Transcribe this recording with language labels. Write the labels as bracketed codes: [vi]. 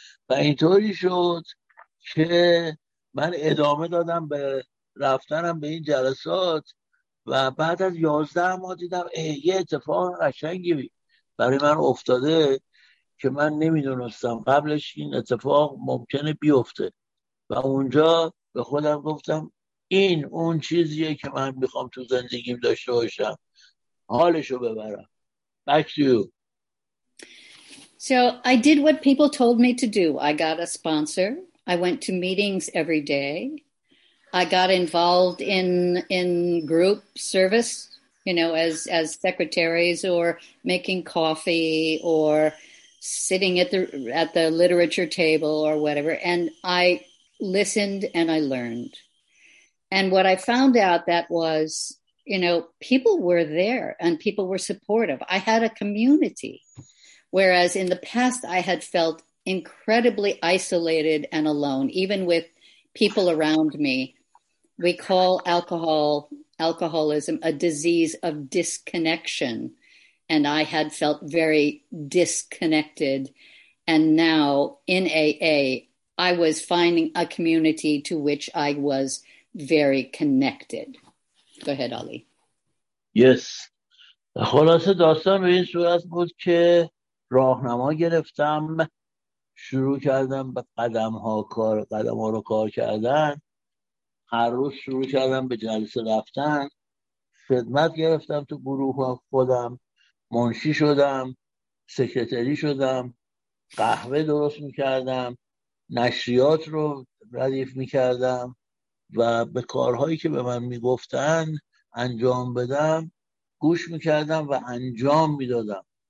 [fa] و اینطوری شد که من ادامه دادم به رفتنم به این جلسات و بعد از 11 ماه دیدم یه اتفاق قشنگی برای من افتاده که من نمیدونستم قبلش این اتفاق ممکنه بیفته. و اونجا به خودم گفتم این اون چیزیه که من میخوام تو زندگیم داشته باشم، حالشو ببرم. [en] Back to you. So I did what people told me to do. I got a sponsor. I went to meetings every day. I got involved in group service, you know, as secretaries or making coffee or sitting at the literature table or whatever. And I listened and I learned. And what I found out that was, you know, people were there and people were supportive. I had a community. Whereas in the past, I had felt incredibly isolated and alone, even with people around me. We call alcoholism a disease of disconnection. And I had felt very disconnected. And now in AA, I was finding a community to which I was very connected. Go ahead, Ali. Yes. [fa] خلاصه داستان به این صورت بود که راهنما گرفتم، شروع کردم به قدم ها رو کار کردن. هر روز شروع کردم به جلسه رفتن، خدمت گرفتم تو گروه خودم، منشی شدم، سکرتری شدم، قهوه درست میکردم، نشریات رو ردیف میکردم و به کارهایی که به من میگفتن انجام بدم گوش میکردم و انجام میدادم.